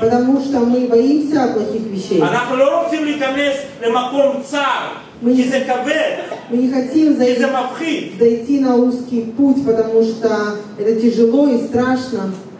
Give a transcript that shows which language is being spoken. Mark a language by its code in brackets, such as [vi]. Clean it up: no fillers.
[ru] Потому что мы боимся плохих вещей. [he] אנחנו לא רוצים להיכנס למקום צר. [ru] Мы не хотим зайти на узкий путь, потому что это тяжело и страшно.